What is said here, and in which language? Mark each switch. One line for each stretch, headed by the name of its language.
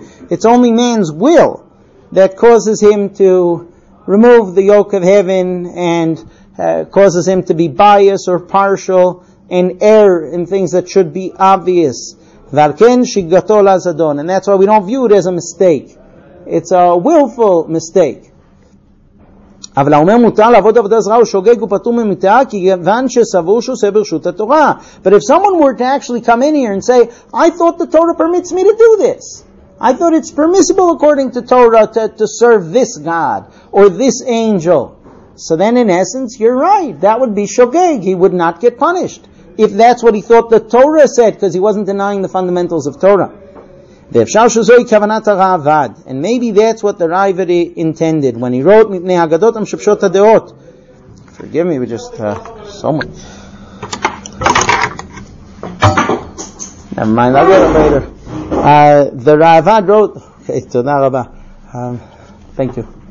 English: It's only man's will that causes him to remove the yoke of heaven and causes him to be biased or partial and err in things that should be obvious. And that's why we don't view it as a mistake. It's a willful mistake.
Hebrew: אבל אומר מותר לעבוד עבודה זרה ושוגג ופטור ממיתה כיוון שסבור שהוא עושה ברשות התורה.
English: But if someone were to actually come in here and say, I thought the Torah permits me to do this. I thought it's permissible according to Torah to serve this God or this angel. So then in essence, you're right. That would be shogeg. He would not get punished. If that's what he thought the Torah said, because he wasn't denying the fundamentals of Torah.
Hebrew: ואפשר שזוהי כוונת הראב"ד.
English: And maybe that's what the rivalry intended when he wrote
Hebrew: מפני הגדות המשבשות הדעות.
English: Forgive me, we just so much. Never mind, I'll get it later. The ראב"ד wrote, okay,
Hebrew: תודה רבה.
English: Thank you.